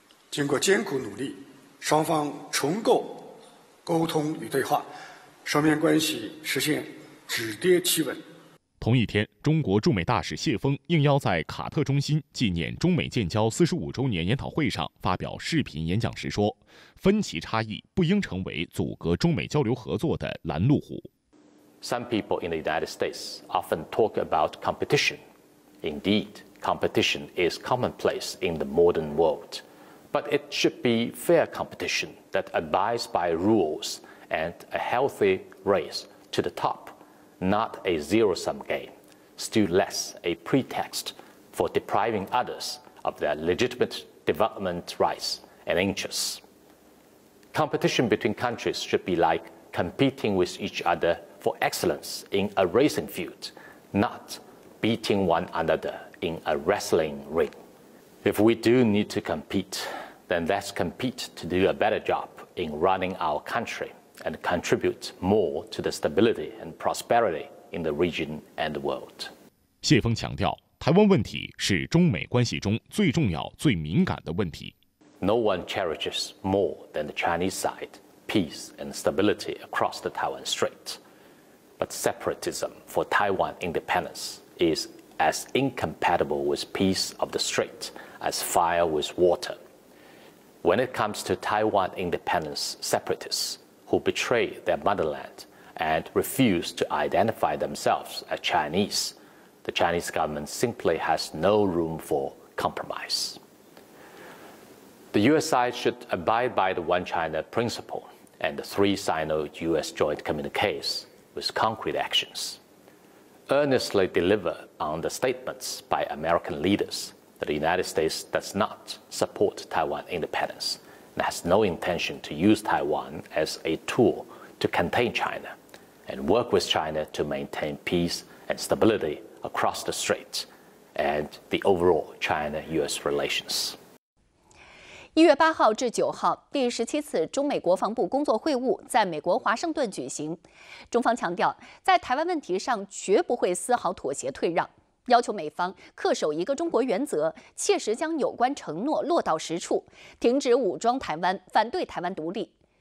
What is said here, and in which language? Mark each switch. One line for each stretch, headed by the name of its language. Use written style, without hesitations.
Chinese: 经过艰苦努力，双方重构沟通与对话，双边关系实现止跌企稳。同一天，中国驻美大使谢峰应邀在卡特中心纪念中美建交45周年研讨会上发表视频演讲时说，分歧差异不应成为阻隔中美交流合作的拦路虎。
English: Some people in the United States often talk about competition. Indeed, competition is commonplace in the modern world. But it should be fair competition that abides by rules and a healthy race to the top, not a zero-sum game. still less a pretext for depriving others of their legitimate development rights and interests. Competition between countries should be like competing with each other for excellence in a racing field, not beating one another in a wrestling ring. If we do need to compete, then let's compete to do a better job in running our country and contribute more to the stability and prosperity in the region and the world.
Chinese: 谢锋强调，台湾问题是中美关系中最重要、最敏感的问题。
English: No one cherishes more than the Chinese side peace and stability across the Taiwan Strait. But separatism for Taiwan independence is as incompatible with peace of the Strait as fire with water. When it comes to Taiwan independence separatists who betray their motherland and refuse to identify themselves as Chinese, the Chinese government simply has no room for compromise. The U.S. side should abide by the One China principle and the three Sino-U.S. joint communiques with concrete actions. Earnestly deliver on the statements by American leaders that the United States does not support Taiwan independence and has no intention to use Taiwan as a tool to contain China and work with China to maintain peace and stability across the Strait and the overall China-U.S. relations.
Chinese: 1月8号至9号，第17次中美国防部工作会晤在美国华盛顿举行。中方强调，在台湾问题上绝不会丝毫妥协退让，要求美方恪守一个中国原则，切实将有关承诺落到实处，停止武装台湾，反对台湾独立。